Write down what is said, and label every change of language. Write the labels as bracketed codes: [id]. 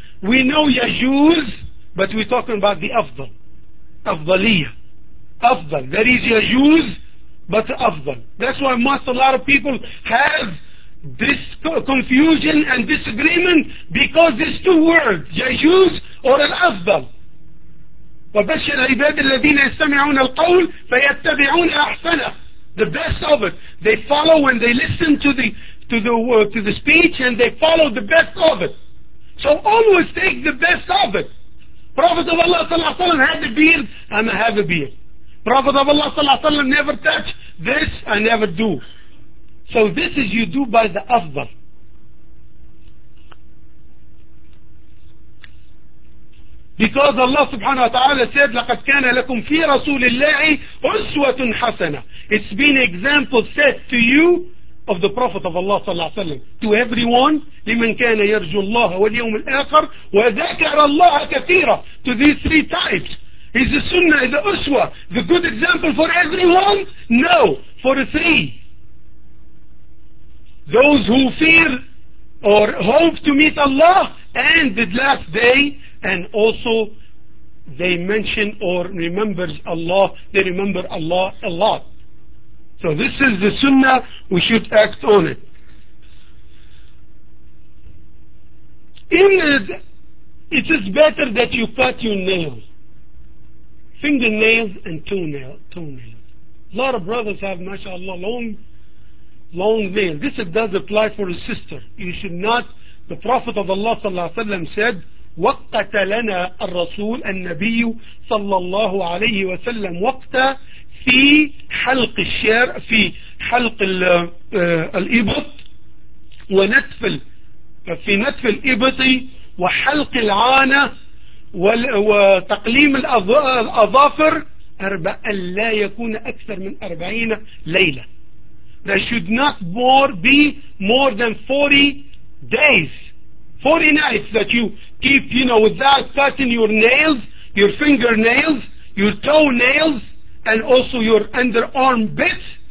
[en] We know yajuz, but we're talking about the afdal. Afdaliyah. Afdal. There is yajuz, but afdal. That's why most a lot of people have this confusion and disagreement because these two words, yajuz or al-afdal. [ar] وَبَشِّرَ عِبَادِ الَّذِينَ يَسْتَمِعُونَ الْقَوْلِ فَيَتَّبِعُونَ أَحْسَنَهُ. [en] The best of it. They follow and they listen to the speech and they follow the best of it. So always take the best of it. Prophet of Allah صلى الله عليه وسلم had a beard and I have a beard. Prophet of Allah صلى الله عليه وسلم never touch this, I never do. So this is you do by the afdal. Because Allah subhanahu wa ta'ala said, لَقَدْ كَانَ لَكُمْ فِي رَسُولِ اللَّهِ أُسْوَةٌ حَسَنَةٌ. It's been example set to you of the Prophet of Allah صلى الله عليه وسلم. To everyone, [ar] لِمَنْ كَانَ يَرْجُوا اللَّهَ وَالْيَوْمِ الْآخَرِ وَذَكَرَ اللَّهَ كَثِيرًا. [en] To these three types. Is the sunnah, is the uswa, the good example for everyone? No, for the three. Those who fear or hope to meet Allah and the last day, and also they mention or remembers Allah, they remember Allah a lot. So this is the sunnah, we should act on it. It is better that you cut your nails. Fingernails and toenails. A lot of brothers have, mashallah, long nails. This does apply for a sister. You should not. The Prophet of Allah [ar] صلى الله عليه وسلم [en] said, [ar] وَقَّتَ لَنَا الرَّسُولَ النَّبِيُّ صلى الله عليه وسلم وَقْتَ فِي حَلْقِ الشَّارِ فِي حَلْقِ الْإِبَطِ وَنَتْفِ فِي نَتْفِ الْإِبَطِ وَحَلْقِ الْعَانَةِ وتقليم الأظافر أن لا يكون أكثر من 40 ليلة. [en] There should not be more than 40 days, 40 nights that you keep, you know, without cutting your nails, your fingernails, your toenails, and also your underarm bits.